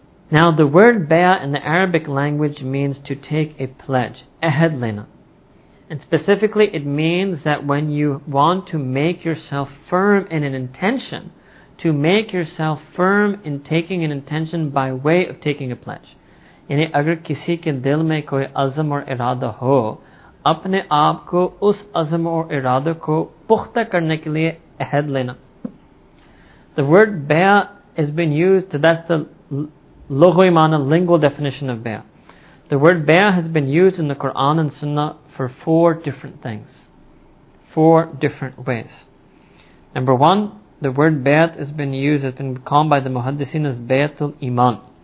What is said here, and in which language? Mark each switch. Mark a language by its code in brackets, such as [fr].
[en] Now the word bay'ah in the Arabic language means to take a pledge, ahad lena. And specifically it means that when you want to make yourself firm in an intention to make yourself firm in taking an intention by way of taking a pledge. [ur] یعنی اگر کسی کے دل میں کوئی عزم اور ارادہ ہو، اپنے آپ کو اس عزم اور ارادہ کو پختہ کرنے کے لیے عہد لینا. [en] The word bay'ah has been used, that's the lughawi lingual definition of bay'ah. The word bay'ah has been used in the Quran and Sunnah for four different things. Four different ways. Number one, the word bay'ah has been used, has been called by the muhaddisin as bay'atul iman.